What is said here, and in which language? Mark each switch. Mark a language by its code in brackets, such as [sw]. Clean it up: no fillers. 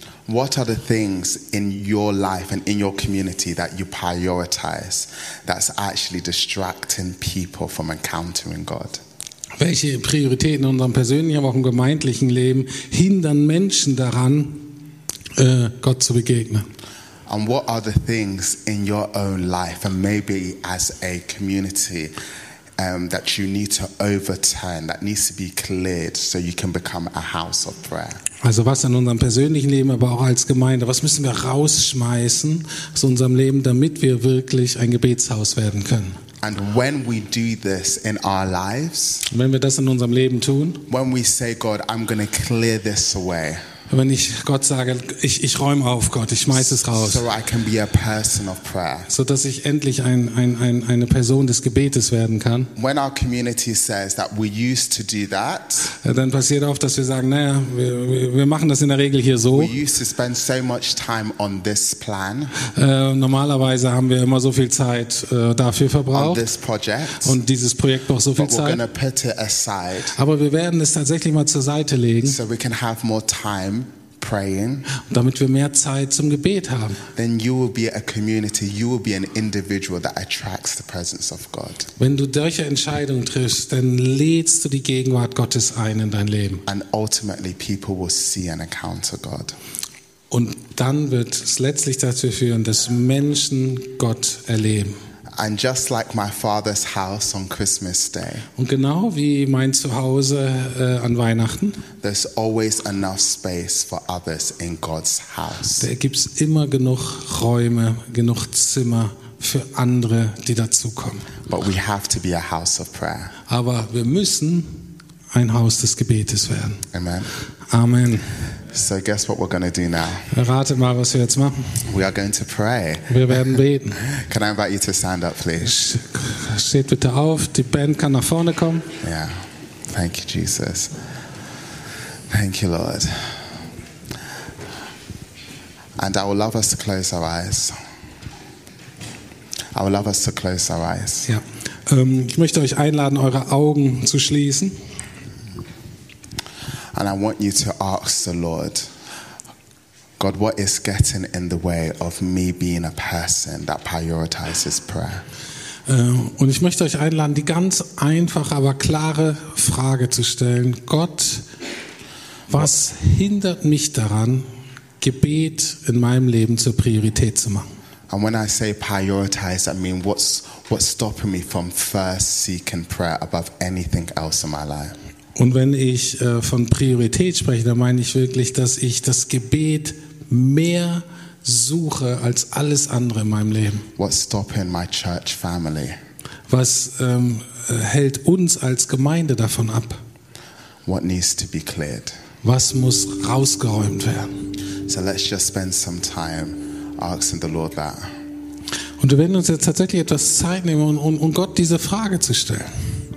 [en] What are the things in your life and in your community that you prioritize that's actually distracting people from encountering God? [de] Welche Prioritäten in unserem persönlichen, aber auch im gemeindlichen Leben hindern Menschen daran, Gott zu begegnen? [en] And what are the things in your own life and maybe as a community that you need to overturn, that needs to be cleared, so you can become a house of prayer? [de] Also was in unserem persönlichen Leben, aber auch als Gemeinde, was müssen wir rausschmeißen aus unserem Leben, damit wir wirklich ein Gebetshaus werden können? [en] And when we do this in our lives, [de] wenn wir das in unserem Leben tun, [en] when we say, God, I'm going to clear this away, [de] wenn ich Gott sage, ich räume auf, Gott, ich schmeiß es raus, [en] so I can be a person of prayer, [de] so dass ich endlich eine Person des Gebetes werden kann, [en] when our community says that we used to do that, [de] dann passiert oft, dass wir sagen, naja, wir machen das in der Regel hier so, [en] we used to spend so much time on this plan, [de] normalerweise haben wir immer so viel Zeit dafür verbraucht, [en] on this project, [de] und dieses Projekt braucht so viel Zeit, [en] but we're gonna put it aside, [de] aber wir werden es tatsächlich mal zur Seite legen, [en] so we can have more time praying, [de] damit wir mehr Zeit zum Gebet haben, [en] then you will be a community, you will be an individual that attracts the presence of God. [de] Wenn du solche Entscheidungen triffst, dann lädst du die Gegenwart Gottes ein in dein Leben. [en] And ultimately people will see and encounter God. [de] Und dann wird es letztlich dazu führen, dass Menschen Gott erleben. [en] And just like my father's house on Christmas Day. [de] Und genau wie mein Zuhause an Weihnachten. [en] There's always enough space for others in God's house. [de] Da gibt's immer genug Räume, genug Zimmer für andere, die dazukommen. [en] But we have to be a house of prayer. [de] Aber wir müssen ein Haus des Gebetes werden. [en] Amen. [de] Amen. [en] So guess what we're going to do now. [de] Rate mal, was wir jetzt machen. [en] We are going to pray. [de] Wir werden beten. [en] Can I invite you to stand up, please? [de] Steht bitte auf. Die Band kann nach vorne kommen. [en] Yeah. Thank you, Jesus. Thank you, Lord. And I would love us to close our eyes. I would love us to close our eyes. [de] Ja. Ich möchte euch einladen, eure Augen zu schließen. [en] And I want you to ask the Lord, God, what is getting in the way of me being a person that prioritizes prayer? [de] Und ich möchte euch einladen, die ganz einfache, aber klare Frage zu stellen. Gott, was hindert mich daran, Gebet in meinem Leben zur Priorität zu machen? [en] And when I say prioritize, I mean what's stopping me from first seeking prayer above anything else in my life? [de] Und wenn ich von Priorität spreche, dann meine ich wirklich, dass ich das Gebet mehr suche als alles andere in meinem Leben. [en] What's stopping my church family? [de] Was hält uns als Gemeinde davon ab? [en] What needs to be cleared? [de] Was muss rausgeräumt werden? [en] So let's just spend some time asking the Lord that. [de] Und wir werden uns jetzt tatsächlich etwas Zeit nehmen, um Gott diese Frage zu stellen.